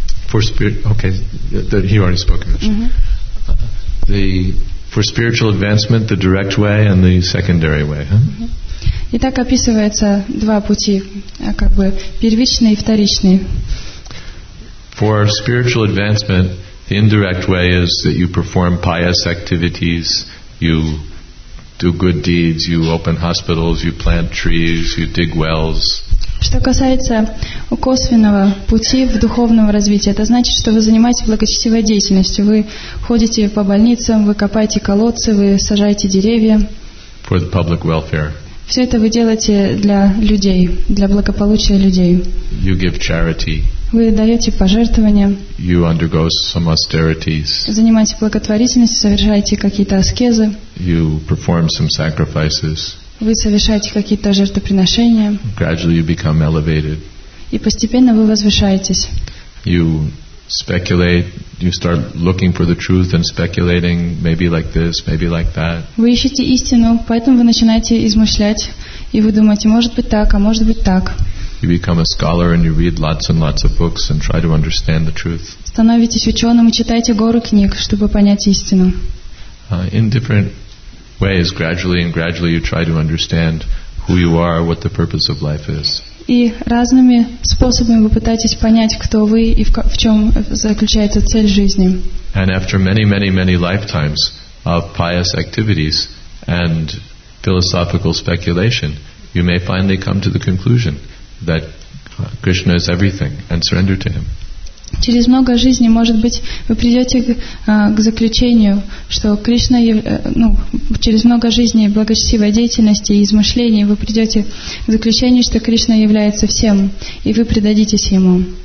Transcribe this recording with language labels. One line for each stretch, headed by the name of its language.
English: For spirit, okay, he already spoke about it. For spiritual advancement, the direct way and the secondary way.
Russian: И так описывается два пути, как бы первичный и вторичный.
English: For spiritual advancement, the indirect way is that you perform pious activities, you do good deeds, you open hospitals, you plant trees, you dig wells.
Russian: Что касается косвенного пути в духовном развитии, это значит, что вы занимаетесь благочестивой деятельностью. Вы ходите по больницам, вы копаете колодцы, вы сажаете деревья.
English: For the public welfare.
Russian: Все это вы делаете для людей, для благополучия людей.
English: You give charity.
Russian: Вы даете пожертвования.
English: You undergo some austerities.
Russian: Занимаетесь благотворительностью, совершаете какие-то аскезы.
English: You perform some sacrifices.
Russian: Вы совершаете какие-то жертвоприношения.
English: Gradually you become elevated.
Russian: И постепенно вы возвышаетесь.
English: You speculate, you start looking for the truth and speculating, maybe like this, maybe like that.
Russian: Вы ищете истину, поэтому вы начинаете измышлять, и вы думаете, может быть так, а может быть так.
English: You become a scholar and you read lots and lots of books and try to understand the truth.
Russian: Становитесь ученым и читаете гору книг, чтобы понять истину.
English: In different ways, gradually and gradually you try to understand who you are, what the purpose of life is.
Russian: И разными способами вы пытаетесь понять, кто вы и в чем заключается цель жизни.
English: And after many, many, many lifetimes of pious activities and philosophical speculation, you may finally come to the conclusion that Krishna is everything and surrender to Him.
Russian: Через много жизней, может быть, вы придете к заключению, что Кришна, через много жизней благочестивой деятельности и измышлений, вы придете к заключению, что Кришна является всем, и вы предадитесь Ему.